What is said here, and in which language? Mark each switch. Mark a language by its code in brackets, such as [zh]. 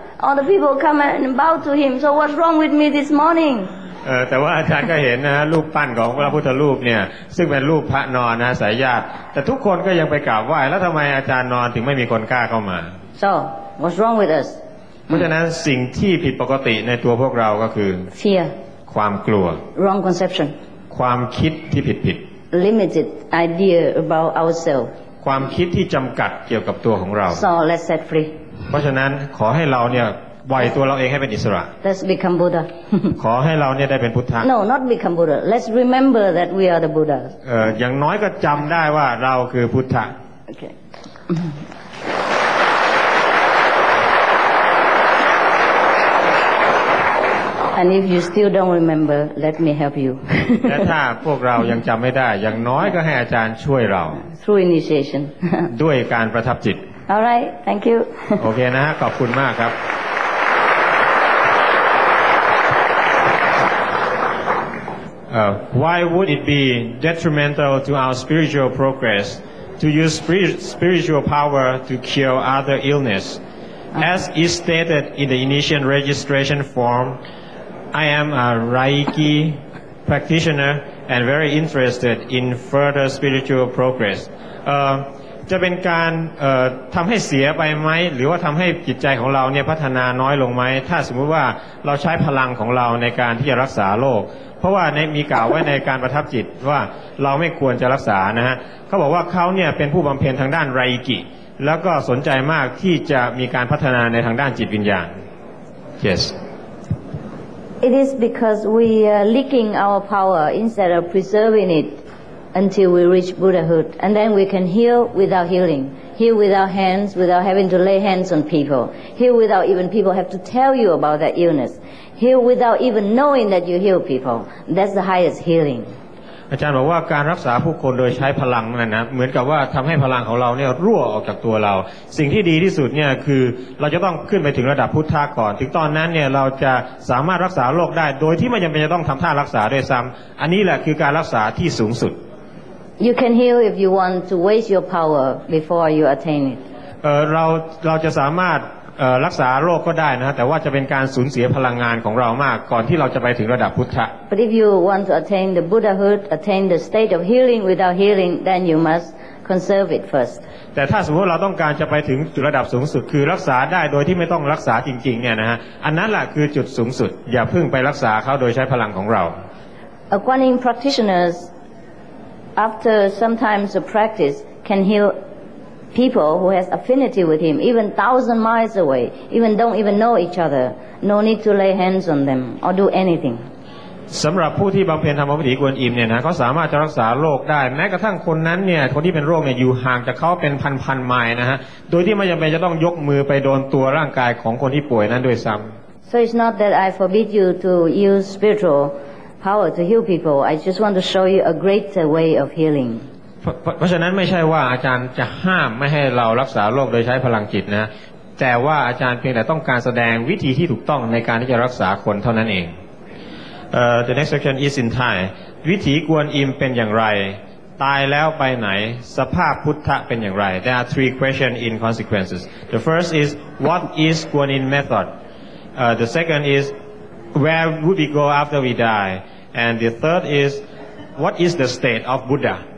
[en] All the people come and bow to him. So what's wrong with me this morning? [th] แต่ว่าอาจารย์ก็เห็นนะฮะรูปปั้นของพระพุทธรูปเนี่ยซึ่งเป็นรูปพระนอนนะสายญาติแต่ทุกคนก็ยังไปกราบไหว้แล้วทําไมอาจารย์นอนถึงไม่มีคนกล้าเข้ามา [en] So what's wrong with us [th] เพราะฉะนั้นสิ่งที่ผิดปกติในตัวพวกเราก็คือ [en] fear [th] ความกลัว [en] wrong conception [th] ความคิดที่ผิดผิด [en] limited idea about ourselves [th] ความคิดที่จำกัดเกี่ยวกับตัวของเรา [en] so let's set free [th] เพราะฉะนั้นขอให้เราเนี่ยปล่อยตัวเราเองให้เป็นอิสระ [en] let's become Buddha [th] ขอให้เราเนี่ยได้เป็นพุทธะ [en] no not become Buddha let's remember that we are the Buddha [th] อย่างน้อยก็จำได้ว่าเราคือพุทธะ [en] okay And if you still don't remember, let me help you. [th] และถ้าพวกเรายังจำไม่ได้อย่างน้อยก็ให้อาจารย์ช่วยเรา [en] Through initiation. [th] ด้วยการประทับจิต [en] All right, thank you. [th] โอเคนะฮะขอบคุณมากครับ [en] Why would it be detrimental to our spiritual progress to use spiritual power to cure other illness? As is stated in the initiation registration form,I am a Reiki practitioner and very interested in further spiritual progress. [th] จะเป็นการทำให้เสียไปไหมหรือว่าทำให้จิตใจของเราเนี่ยพัฒนาน้อยลงไหมถ้าสมมติว่าเราใช้พลังของเราในการที่จะรักษาโรคเพราะว่าในมีกล่าวไว้ในการประทับจิตว่าเราไม่ควรจะรักษานะฮะเขาบอกว่าเขาเนี่ยเป็นผู้บำเพ็ญทางด้านReikiแล้วก็สนใจมากที่จะมีการพัฒนาในทางด้านจิตวิญญาณ [en] Yes. It is because we are leaking our power instead of preserving it until we reach Buddhahood. And then we can heal without healing. Heal without hands, without having to lay hands on people. Heal without even people have to tell you about that illness. Heal without even knowing that you heal people. That's the highest healing. [th] อาจารย์บอกว่าการรักษาผู้คนโดยใช้พลังนั่นนะเหมือนกับว่าทำให้พลังของเราเนี่ยรั่วออกจากตัวเราสิ่งที่ดีที่สุดเนี่ยคือเราจะต้องขึ้นไปถึงระดับพุทธะก่อนถึงตอนนั้นเนี่ยเราจะสามารถรักษาโรคได้โดยที่ไม่จำเป็นจะต้องทำท่ารักษาด้วยซ้ำอันนี้แหละคือการรักษาที่สูงสุด [en] You can heal if you want to waste your power before you attain it [th] เราจะสามารถรักษาโรคก็ได้นะฮะแต่ว่าจะเป็นการสูญเสียพลังงานของเรามากก่อนที่เราจะไปถึงระดับพุทธะ [en] But if you want to attain the Buddhahood, attain the state of healing without healing, then you must conserve it first. [th] แต่ถ้าสมมติเราต้องการจะไปถึงจุดระดับสูงสุดคือรักษาได้โดยที่ไม่ต้องรักษาจริงๆเนี่ยนะฮะอันนั้นแหละคือจุดสูงสุดอย่าเพิ่งไปรักษาเขาโดยใช้พลังของเรา [en] A Guan Yin practitioners, after sometimes a practice, can healPeople who has affinity with him, even 1,000 miles away, even don't even know each other, no need to lay hands on them or do anything. [th] สำหรับผู้ที่บำเพ็ญธรรมวิถีกวนอิมเนี่ยนะเขาสามารถจะรักษาโรคได้แม้กระทั่งคนนั้นเนี่ยคนที่เป็นโรคเนี่ยอยู่ห่างจากเขาเป็นพันๆไมล์นะฮะโดยที่ไม่จำเป็นจะต้องยกมือไปโดนตัวร่างกายของคนที่ป่วยนั้นด้วยซ้ำ [en] So it's not that I forbid you to use spiritual power to heal people. I just want to show you a greater way of healing. [th] เพราะฉะนั้นไม่ใช่ว่าอาจารย์จะห้ามไม่ให้เรารักษาโรคโดยใช้พลังจิตนะแต่ว่าอาจารย์เพียงแต่ต้องการแสดงวิธีที่ถูกต้องในการที่จะรักษาคนเท่านั้นเอง [en] The next section is in Thai [th] วิถีกวนอิมเป็นอย่างไรตายแล้วไปไหนสภาพพุทธะเป็นอย่างไร [en] There are three questions in consequences The first is what is Guan Yin method The second is where would we go after we die And the third is what is the state of Buddha